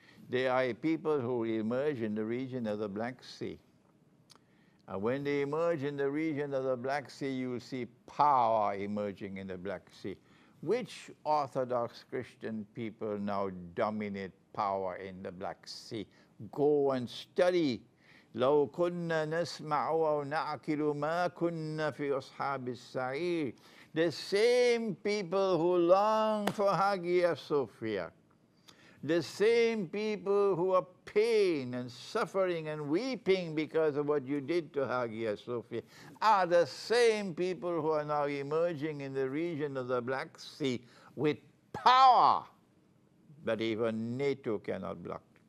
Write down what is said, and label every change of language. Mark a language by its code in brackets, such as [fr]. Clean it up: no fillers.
[en] They are people who emerge in the region of the Black Sea. And when they emerge in the region of the Black Sea, you will see power emerging in the Black Sea. Which Orthodox Christian people now dominate power in the Black Sea? Go and study. [ar] لو كنا نسمع أو نعقل ما كنا في أصحاب السعير. [en] The same people who long for Hagia Sophia. The same people who are pain and suffering and weeping because of what you did to Hagia Sophia are the same people who are now emerging in the region of the Black Sea with power that even NATO cannot block.